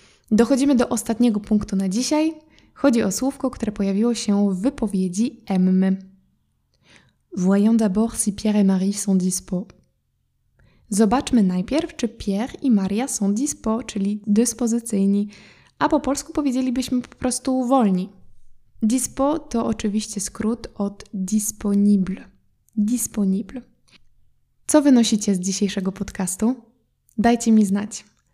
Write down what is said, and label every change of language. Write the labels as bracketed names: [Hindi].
[Polish] Dochodzimy do ostatniego punktu na dzisiaj. Chodzi o słówko, które pojawiło się w wypowiedzi Emmy. [French] Voyons d'abord si Pierre et Marie sont dispo. [Polish] Zobaczmy najpierw, czy Pierre i Maria są dispo, czyli dyspozycyjni, a po polsku powiedzielibyśmy po prostu wolni. Dispo to oczywiście skrót od disponible. Disponible. Co wynosicie z dzisiejszego podcastu? Dajcie mi znać.